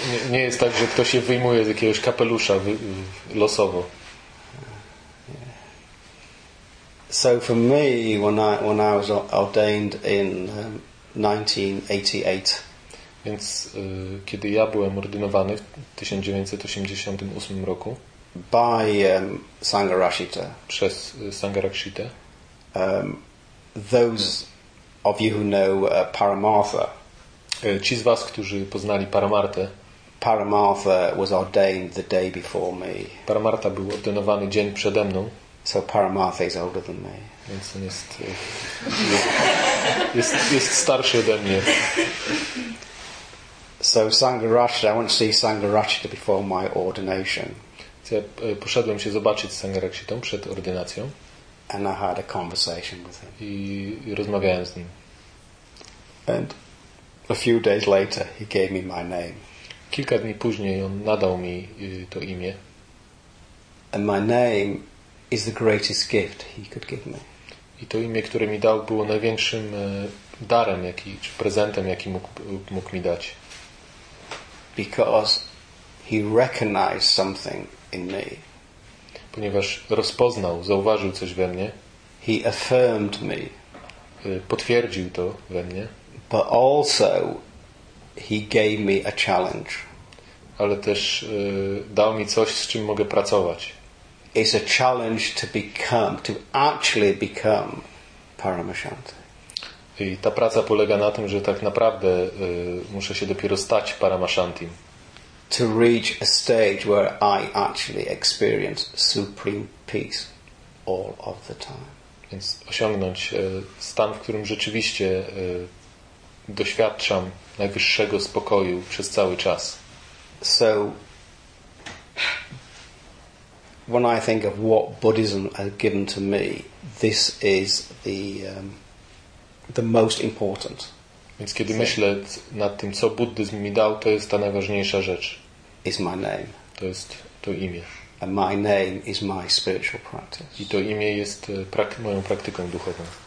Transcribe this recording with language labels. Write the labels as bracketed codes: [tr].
[pl] Nie jest tak, że ktoś się wyjmuje z jakiegoś kapelusza losowo. [en] So for me, when I was ordained in 1988. [pl] Więc kiedy ja byłem ordynowany w 1988 roku. [en] By Sangharakshita. [pl] Przez Sangharakshita. [en] Those of you who know Paramartha. [pl] Ci z was, którzy poznali Paramartę. [en] Paramartha was ordained the day before me. [pl] Paramartha był ordynowany dzień przede mną. [en] So Paramartha is older than me. [pl] Więc on jest starszy ode mnie. [en] So Sangharakshita, I went to see Sangharakshita before my ordination. [pl] Ja poszedłem się zobaczyć Sangharakshitą przed ordynacją. [en] And I had a conversation with him. [pl] I rozmawiałem z nim. [en] And a few days later, he gave me my name. [pl] Kilka dni później on nadał mi to imię. [en] And my name is the greatest gift he could give me. [pl] I to imię, które mi dał, było największym darem, czy prezentem, jaki mógł mi dać. [en] Because he recognized something in me. [pl] Ponieważ rozpoznał, zauważył coś we mnie. [en] He affirmed me. [pl] Potwierdził to we mnie. [en] But also he gave me a challenge. [pl] Ale też dał mi coś, z czym mogę pracować. [en] It's a challenge to become, to actually become Paramashanti. [pl] I ta praca polega na tym, że tak naprawdę muszę się dopiero stać Paramashantim. [en] To reach a stage where I actually experience supreme peace all of the time. [pl] Więc osiągnąć stan, w którym rzeczywiście doświadczam najwyższego spokoju przez cały czas. [en] So when I think of what Buddhism has given to me, this is the most important. [pl] Więc kiedy myślę nad tym, co buddyzm mi dał, to jest ta najważniejsza rzecz. [en] Is my name. [pl] To jest to imię. [en] And my name is my spiritual practice. [pl] I to imię jest moją praktyką duchową.